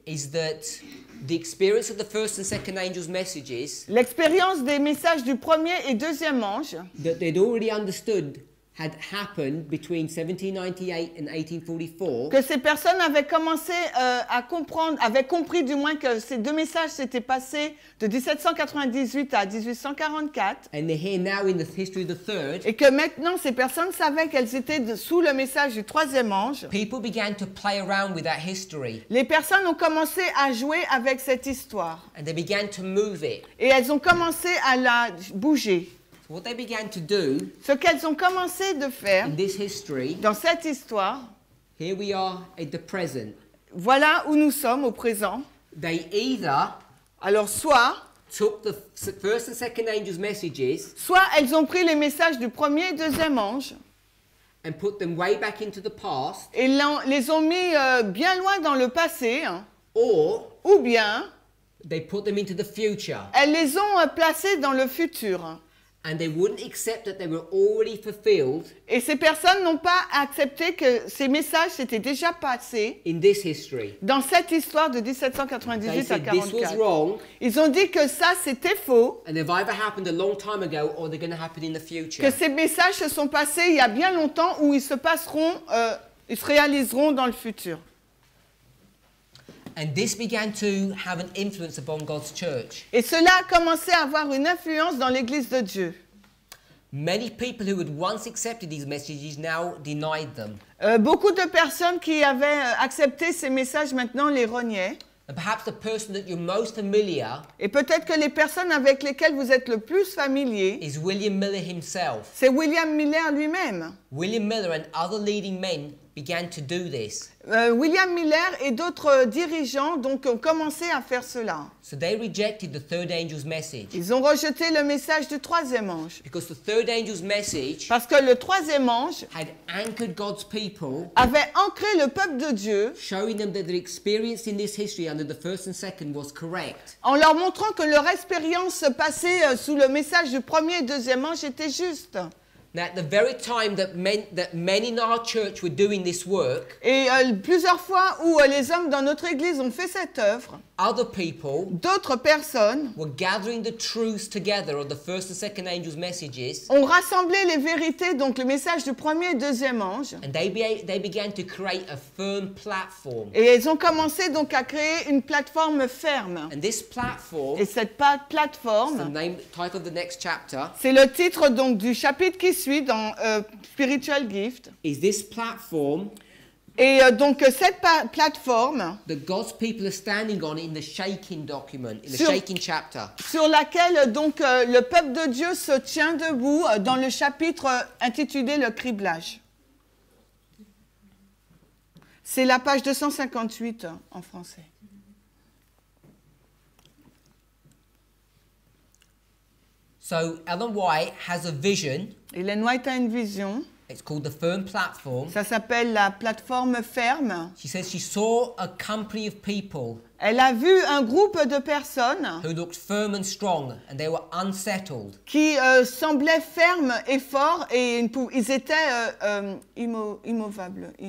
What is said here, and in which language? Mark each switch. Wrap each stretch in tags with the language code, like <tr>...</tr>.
<en>is that the experience of the first and second angels' messages,</en> <fr>l'expérience des messages du premier et deuxième ange,</fr> <en>that they'd already understood had happened between 1798 and 1844.</en> <fr>Que ces personnes avaient commencé à comprendre, avaient compris du moins que ces deux messages s'étaient passés de 1798 à 1844.</fr> <en>And they're here now in the history of the third.</en> <fr>Et que maintenant ces personnes savaient qu'elles étaient sous le message du troisième ange.</fr> <en>People began to play around with that history.</en> <fr>Les personnes ont commencé à jouer avec cette histoire.</fr> <en>And they began to move it.</en> <fr>Et elles ont commencé à la bouger.</fr> <en>What they began to do,</en> <fr>ce qu'elles ont commencé de faire</fr> <en>in this history,</en> <fr>dans cette histoire,</fr> <en>here we are at the present.</en> <fr>Voilà où nous sommes au présent.</fr> <en>They either,</en> <fr>alors soit,</fr> <en>took the first and second angels' messages,</en> <fr>soit elles ont pris les messages du premier et deuxième ange,</fr> <en>and put them way back into the past,</en> <fr>et les ont mis bien loin dans le passé, hein,</fr> <en>or,</en> <fr>ou bien,</fr> <en>they put them into the future.</en> <fr>Elles les ont placées dans le futur.</fr> <en>And they wouldn't accept that they were already fulfilled.</en> <fr>Et ces personnes n'ont pas accepté que ces messages s'étaient déjà passés.</fr> <en>In this history.</en> <fr>Dans cette histoire de 1798</fr> <en>they said,</en> <fr>à 1844. Ils ont dit que ça c'était faux.</fr> <en>And they've either happened a long time ago or they're going to happen in the future.</en> <fr>Que ces messages se sont passés il y a bien longtemps ou ils se passeront, ils se réaliseront dans le futur.</fr> <en>And this began to have an influence upon God's church.</en> <fr>Et cela a commencé à avoir une influence dans l'église de Dieu.</fr> <en>Many people who had once accepted these messages now denied them.</en> <fr>Beaucoup de personnes qui avaient accepté ces messages maintenant les reniaient.</fr> <en>And perhaps the person that you're most familiar,</en> <fr>et peut-être que les personnes avec lesquelles vous êtes le plus familier,</fr> <en>is William Miller himself.</en> <fr>C'est William Miller lui-même.</fr> <en>William Miller and other leading men began to do this.</en> <fr>William Miller et d'autres dirigeants donc ont commencé à faire cela.</fr> <en>So they rejected the third angel's message.</en> <fr>Ils ont rejeté le message du troisième ange.</fr> <en>Because the third angel's message,</en> <fr>parce que le troisième ange,</fr> <en>had anchored God's people,</en> <fr>avait ancré le peuple de Dieu,</fr> <en>showing them that their experience in this history under the first and second was correct.</en> <fr>En leur montrant que leur expérience passée sous le message du premier et deuxième ange était juste.</fr> <en>At the very time that many in our church were doing this work,</en> <fr>et plusieurs fois où les hommes dans notre église ont fait cette œuvre,</fr> <en>other people,</en> <fr>d'autres personnes,</fr> <en>were gathering the truths together of the first and second angels' messages,</en> <fr>ont rassemblé les vérités, donc le message du premier et deuxième ange,</fr> <en>and they began to create a firm platform.</en> <fr>Et elles ont commencé donc à créer une plateforme ferme.</fr> <en>And this platform,</en> <fr>et cette plateforme,</fr> <en>the name, title of the next chapter,</en> <fr>c'est le titre donc du chapitre qui suit dans Spiritual Gift.</fr> <en>Is this platform?</en> <fr>Et donc cette plateforme,</fr> <en>that God's people are standing on in the shaking document, in the shaking chapter,</en> <fr>sur laquelle donc le peuple de Dieu se tient debout dans le chapitre intitulé le criblage. C'est la page 258 en français.</fr> <en>So Ellen White has a vision.</en> <fr>Ellen White a une vision.</fr> <en>It's called the firm platform.</en> <fr>Ça s'appelle la plateforme ferme.</fr> <en>She says she saw a company of people.</en> <fr>Elle a vu un groupe de personnes.</fr> <en>Who looked firm and strong, and they were unsettled.</en> <fr>Qui semblaient fermes et forts et ils étaient immovables.</fr>